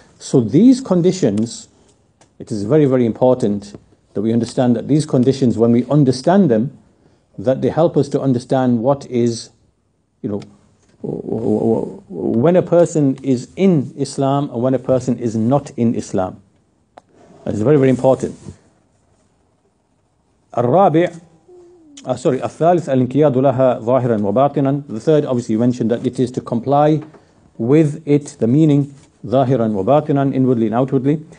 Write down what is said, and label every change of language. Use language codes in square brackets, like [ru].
[en] So these conditions, it is very, very important that we understand that these conditions, when we understand them, that they help us to understand what is, you know, when a person is in Islam and when a person is not in Islam. It's very, very important. [ar] الثالث الانقياد لها ظاهرا وباطنا. [en] The third, obviously, you mentioned that it is to comply with it, the meaning, [ar] ظاهرا وباطنا, [en] inwardly and outwardly.